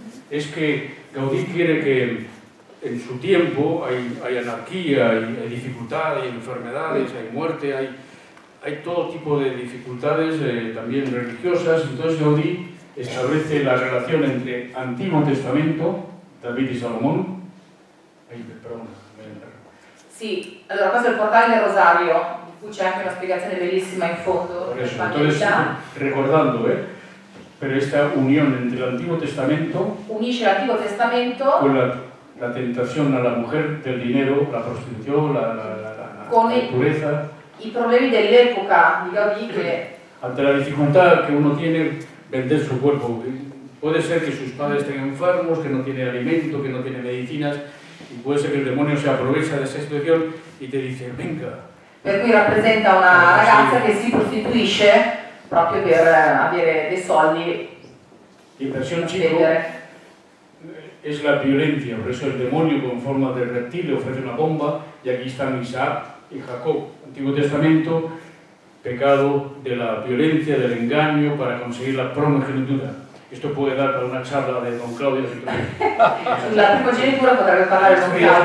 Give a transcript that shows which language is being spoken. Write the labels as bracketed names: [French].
[Spanish] Es que Gaudí quiere que en su tiempo hay anarquía, hay dificultades, hay enfermedades, hay muerte, hay todo tipo de dificultades, también religiosas. Entonces Gaudí establece la relación entre Antiguo Testamento, David y Salomón. Ay, perdón, [Italian] sí, allora questo è il portale del Rosario, di cui c'è anche una spiegazione bellissima in fondo. [Spanish] Entonces, recordando, pero esta unión entre el Antiguo Testamento [Italian] unisce l'Antico Testamento [Spanish] con la tentación a la mujer del dinero, la prostitución, la pureza, [Italian] i problemi dell'epoca di Gaudí, che [Spanish] ante la dificultad que uno tiene vender su cuerpo, puede ser que sus padres estén enfermos, que no tiene alimento, que no tiene medicinas, y puede ser que el demonio se aprovecha de esa situación y te dice, venga. [Italian] Per cui rappresenta una ragazza che si prostituisce proprio per avere dei soldi. [Spanish] In versión chico es la violencia, por eso el demonio con forma de reptil le ofrece una bomba, y aquí están Isaac y Jacob, Antiguo Testamento, pecado de la violencia, del engaño, para conseguir la primogenitura. Esto puede dar para una charla de don Claudio. [Italian] La primogenitura potrebbe parlare con Claudio.